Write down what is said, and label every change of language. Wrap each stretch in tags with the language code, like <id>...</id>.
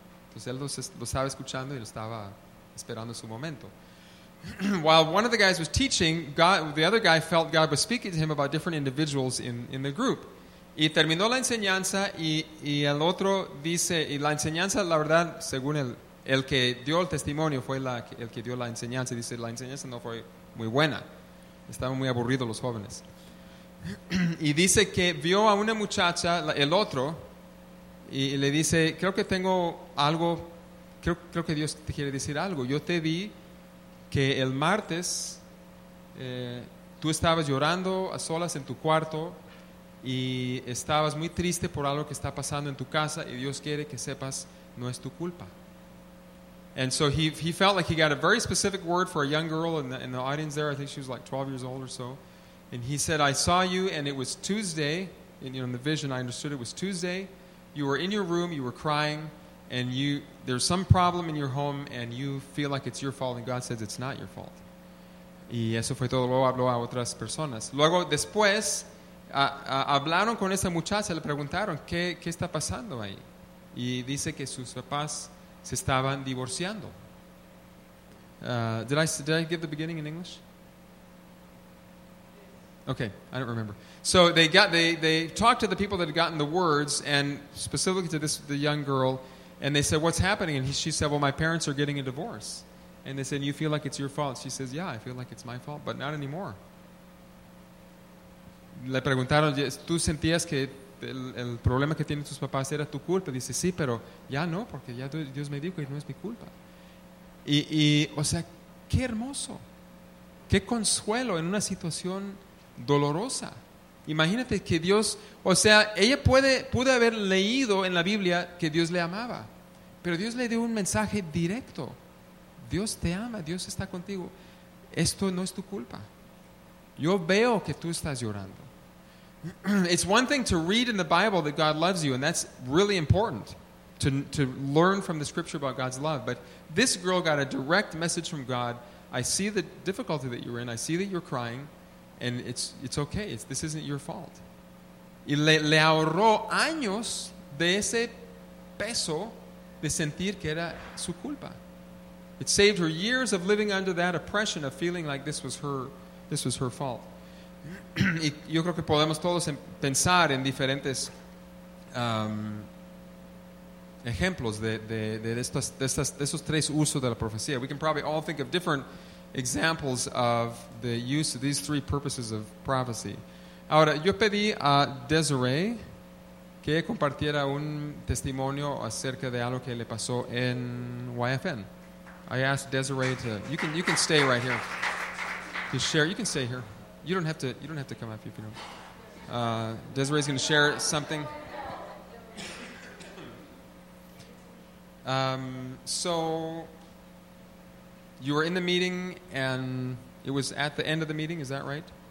<es>Entonces él lo estaba escuchando y lo estaba esperando su momento.</es> <en>While one of the guys was teaching, the other guy felt God was speaking to him about different individuals in the group.</en> <es>Y terminó la enseñanza y el otro dice, y la enseñanza, la verdad, según el que dio el testimonio, fue el que dio la enseñanza, dice, la enseñanza no fue muy buena. Estaban muy aburridos los jóvenes. Y dice que vio a una muchacha, el otro, y le dice, creo que tengo algo, creo que Dios te quiere decir algo. Yo te vi que el martes tú estabas llorando a solas en tu cuarto y estabas muy triste por algo que está pasando en tu casa y Dios quiere que sepas no es tu culpa.</es> <en>And so he felt like he got a very specific word for a young girl in the audience there. I think she was like 12 years old or so. And he said, I saw you and it was Tuesday. And, you know, in the vision, I understood it was Tuesday. You were in your room, you were crying, and there's some problem in your home and you feel like it's your fault. And God says, it's not your fault.</en> <es>Y eso fue todo. Luego habló a otras personas. Luego, después, hablaron con esa muchacha, le preguntaron, ¿qué está pasando ahí? Y dice que sus papás se estaban divorciando.</es> <en>Did I give the beginning in English? Okay, I don't remember. So they talked to the people that had gotten the words, and specifically to the young girl, and they said, what's happening? And she said, well, my parents are getting a divorce. And they said, you feel like it's your fault? She says, yeah, I feel like it's my fault, but not anymore.</en> <es>Le preguntaron, ¿tú sentías que el problema que tienen tus papás era tu culpa? Dice, sí, pero ya no, porque ya Dios me dijo que no es mi culpa. Y, o sea, qué hermoso. Qué consuelo en una situación dolorosa. Imagínate que Dios, o sea, ella pudo haber leído en la Biblia que Dios le amaba, pero Dios le dio un mensaje directo. Dios te ama, Dios está contigo. Esto no es tu culpa. Yo veo que tú estás llorando.</es> <en>It's one thing to read in the Bible that God loves you, and that's really important to learn from the scripture about God's love. But this girl got a direct message from God. I see the difficulty that you're in. I see that you're crying, and it's okay. This isn't your fault.</en> <es>Y le ahorró años de ese peso de sentir que era su culpa.</es> <en>It saved her years of living under that oppression of feeling like this was her fault.</en> <es>Y yo creo que podemos todos pensar en diferentes ejemplos de estos tres usos de la profecía.</es> <en>We can probably all think of different examples of the use of these three purposes of prophecy.</en> <es>Ahora, yo pedí a Desiree que compartiera un testimonio acerca de algo que le pasó en YFN.</es> <en>I asked Desiree to, you can stay right here to share. You can stay here. You don't have to come up if you don't. Desiree's going to share something. So you were in the meeting, and it was at the end of the meeting. Is that right?</en>